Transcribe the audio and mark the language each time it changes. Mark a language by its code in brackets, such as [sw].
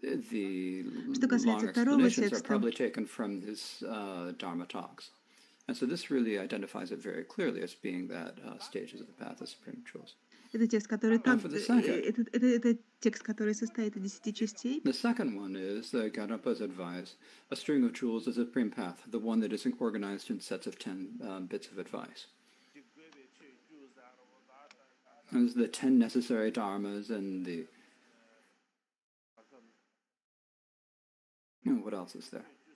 [en] The long explanations are probably taken from his Dharma talks. And so this really identifies it very clearly as being that stages of the path of supreme jewels. [ru] Это текст, который там, это текст, который состоит из 10 частей. [en] The second one is the Ganapa's advice, a string of jewels is a supreme path, the one that is organized in sets of 10 bits of advice. There's the 10 necessary dharmas and the what else is there?